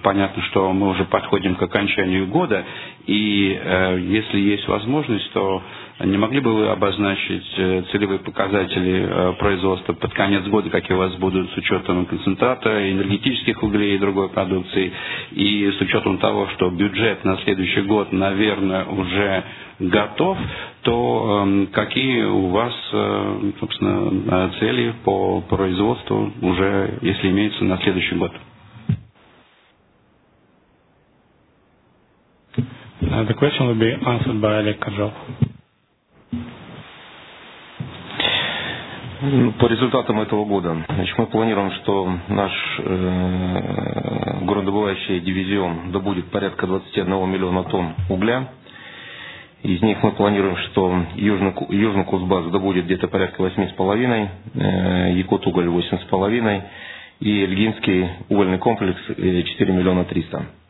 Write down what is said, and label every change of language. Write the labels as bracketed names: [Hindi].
[Russian] Понятно, что мы уже подходим к окончанию года. И если есть возможность, то не могли бы вы обозначить целевые показатели производства под конец года, какие у вас будут с учетом концентрата, энергетических углей и другой продукции, и с учетом того, что бюджет на следующий год, наверное, уже готов, то какие у вас, собственно, цели по производству уже, если имеются, на следующий год? [English] The question will be answered by Oleg Kozlov. [Russian] По результатам этого года, значит, мы планируем, что наш горнодобывающий дивизион добудет порядка 21 миллиона тонн угля. Из них мы планируем, что Южный Кузбасс добудет где-то порядка 8,5, Якутуголь 8,5 и Ильгинский угольный комплекс 4 миллиона 300.